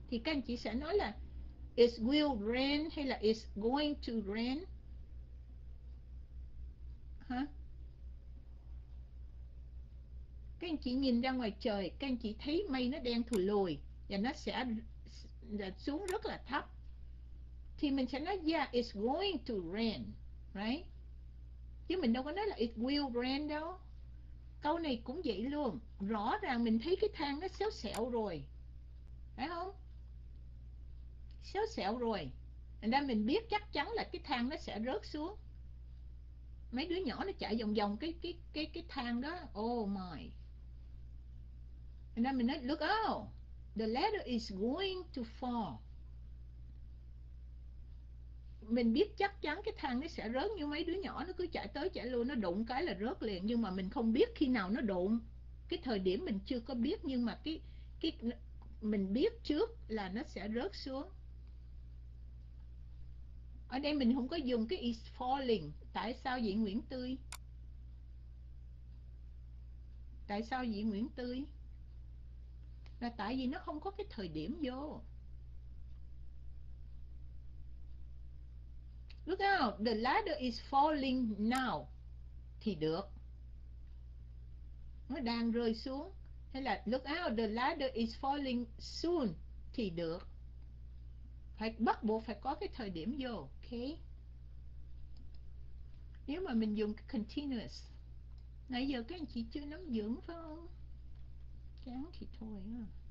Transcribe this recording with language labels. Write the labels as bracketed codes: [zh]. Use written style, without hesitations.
[vi] Thì các anh chị sẽ nói là [en] it will rain [vi] hay là [en] it's going to rain? [vi] Hả? Các anh chị nhìn ra ngoài trời, các anh chị thấy mây nó đen thùi lùi và nó sẽ xuống rất là thấp. Thì mình sẽ nói [en] yeah, it's going to rain, right? [vi] Chứ mình đâu có nói là [en] it will rain [vi] đâu. Câu này cũng vậy luôn. Rõ ràng mình thấy cái thang nó xéo xẹo rồi, phải không? Xéo xẹo rồi. Thành ra mình biết chắc chắn là cái thang nó sẽ rớt xuống. Mấy đứa nhỏ nó chạy vòng vòng cái thang đó. [en] Oh my. And then [vi] mình nói, [en] look out, the ladder is going to fall. [vi] Mình biết chắc chắn cái thang nó sẽ rớt, như mấy đứa nhỏ nó cứ chạy tới chạy luôn, nó đụng cái là rớt liền. Nhưng mà mình không biết khi nào nó đụng, cái thời điểm mình chưa có biết, nhưng mà cái mình biết trước là nó sẽ rớt xuống. Ở đây mình không có dùng cái is falling. Tại sao vậy Nguyễn Tươi? Tại sao vậy Nguyễn Tươi? Là tại vì nó không có cái thời điểm vô. [en] Look out, the ladder is falling now. [vi] Thì được. Nó đang rơi xuống. Hay là [en] look out, the ladder is falling soon. [vi] Thì được. Phải bắt buộc phải có cái thời điểm vô. Okay. Nếu mà mình dùng cái continuous. Nãy giờ các anh chị chưa nắm vững phải không? Chán thì thôi à.